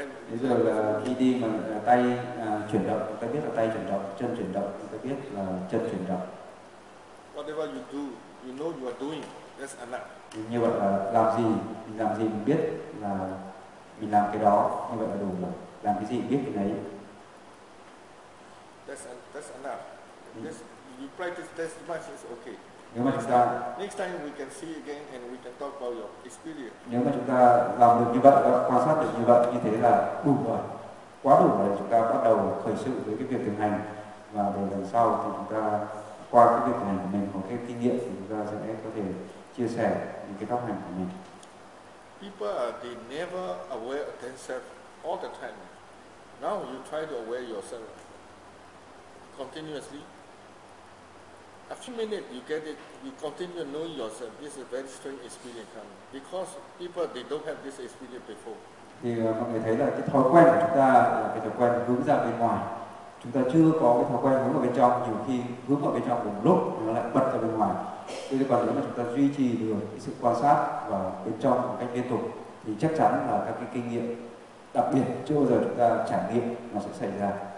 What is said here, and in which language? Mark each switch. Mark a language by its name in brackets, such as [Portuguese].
[Vietnamese] Bây giờ là khi đi mà tay chuyển động, chúng ta biết là tay chuyển động, chân chuyển động, chúng ta biết là chân chuyển động. [English] Whatever you do, you know you are doing. That's enough. [Vietnamese] Như vậy là làm gì, mình làm gì mình biết là mình làm cái đó, như vậy là đủ rồi. Làm cái gì mình biết cái đấy. [English] That's enough. You practice this much, it's okay. [Vietnamese] Nếu mà chúng ta [English] next time we can see again and we can talk about your experience. [Vietnamese] Nếu mà chúng ta làm được như vậy, quan sát được như vậy, như thế là đủ rồi, quá đủ rồi. Chúng ta bắt đầu khởi sự với cái việc thực hành, và để lần sau thì chúng ta qua cái việc thực hành của mình, có cái kinh nghiệm thì chúng ta sẽ có thể chia sẻ những cái pháp hành của mình. [English] People are they never aware of themselves all the time. Now you try to aware yourself continuously. A few minutes, you get it. You continue knowing yourself. This is a very strange experience coming because people they don't have this experience before. [Vietnamese] Thì mọi người thấy là cái thói quen của chúng ta là cái thói quen hướng ra bên ngoài. Chúng ta chưa có cái thói quen hướng vào bên trong. Nhiều khi hướng vào bên trong một lúc nó lại bật ra bên ngoài. Thế còn nếu mà chúng ta duy trì được cái sự quan sát và bên trong một cách liên tục, thì chắc chắn là các cái kinh nghiệm đặc biệt chưa bao giờ chúng ta trải nghiệm nó sẽ xảy ra.